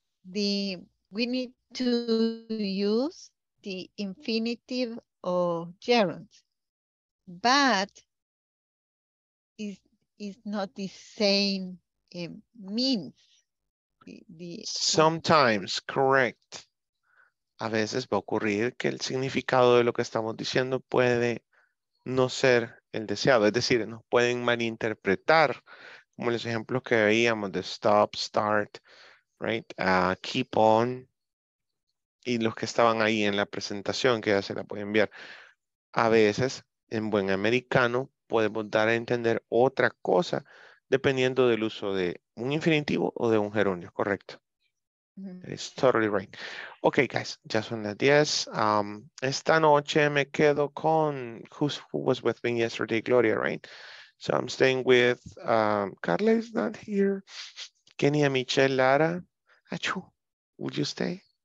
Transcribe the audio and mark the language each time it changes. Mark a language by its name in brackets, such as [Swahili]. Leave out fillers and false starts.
[English] We need to use the infinitive of gerunds, but is not the same means. Sometimes correct. [Spanish] A veces va a ocurrir que el significado de lo que estamos diciendo puede no ser el deseado. Es decir, nos pueden malinterpretar, como los ejemplos que veíamos de stop, start, right, keep on, y los que estaban ahí en la presentación que ya se la puede enviar. A veces, en buen americano, podemos dar a entender otra cosa dependiendo del uso de un infinitivo o de un gerundio, correcto. [English] It's totally right. Okay, guys, [Spanish] ya son las 10. Esta noche me quedo con [English] who was with me yesterday, Gloria, right? So I'm staying with Carla is not here. Kenia, Michelle, Lara. Achoo, would you stay?